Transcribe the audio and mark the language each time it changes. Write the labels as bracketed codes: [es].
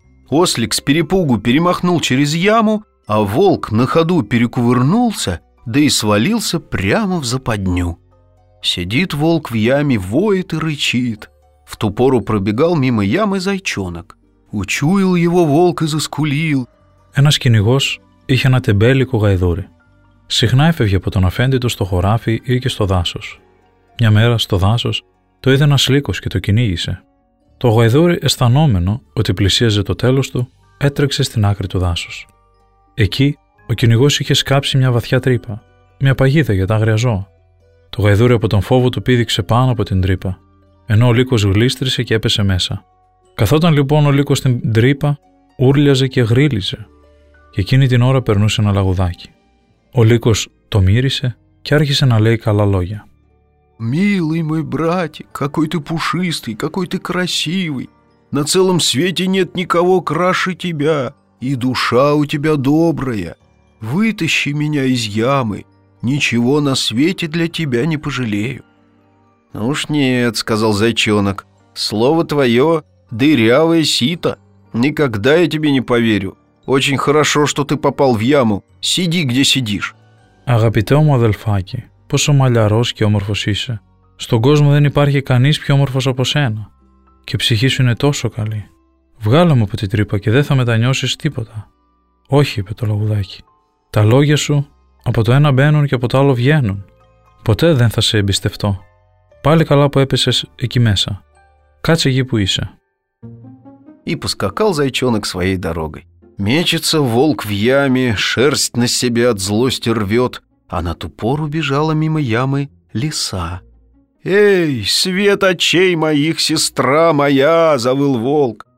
[ru] Ослик с перепугу перемахнул через яму, а волк на ходу перекувырнулся, да и свалился прямо в западню. Сидит волк в яме, воет и рычит. В ту пору пробегал мимо ямы зайчонок. Учуял его волк и заскулил. [el] Ένας κυνηγός είχε ένα τεμπέλικο γαϊδούρι. Συχνά έφευγε από τον αφέντη του στο χωράφι ή και στο δάσος. Μια μέρα στο δάσος το είδε ένας λύκος και το κυνήγησε. Το γαϊδούρι, αισθανόμενο ότι πλησίαζε το τέλος του, έτρεξε στην άκρη του δάσους. Εκεί ο κυνηγός είχε σκάψει μια βαθιά τρύπα, μια παγίδα για τα άγρια ζώα. Το γαϊδούρι από τον φόβο του πήδηξε πάνω από την τρύπα, ενώ ο λύκος γλίστρησε και έπεσε μέσα. Καθόταν λοιπόν ο λύκος στην τρύπα, ούρλιαζε και γρύλιζε, και εκείνη την ώρα περνούσε ένα λαγουδάκι. Ο λύκος το μύρισε και άρχισε να λέει καλά λόγια. [ru] «Милый мой братик, какой ты пушистый, какой ты красивый! На целом свете нет никого краше тебя!» И душа у тебя добрая. Вытащи меня из ямы. Ничего на свете для тебя не пожалею. Ну уж нет, сказал зайчонок. Слово твое — дырявое сито. Никогда я тебе не поверю. Очень хорошо, что ты попал в яму. Сиди, где сидишь. [el] Αγαπητέ μου αδελφάκι, πόσο μαλλιαρός και όμορφος είσαι. Στον κόσμο δεν υπάρχει κανείς πιο όμορφος από σένα. Και ψυχή σου είναι τόσο καλή. Βγάλα μου από την τρύπα και δεν θα μετανιώσεις τίποτα. Όχι, είπε το λαγουδάκι. Τα λόγια σου από το ένα μπαίνουν και από το άλλο βγαίνουν. Ποτέ δεν θα σε εμπιστευτώ. Πάλι καλά που έπεσες εκεί μέσα. Κάτσε εκεί που είσαι. [ru] И поскакал зайчонок своей дорогой. Мечется волк в яме, шерсть на себе от злости рвет, а на ту пору бежала мимо ямы лиса. Эй, свет очей моих, сестра моя, завыл волк.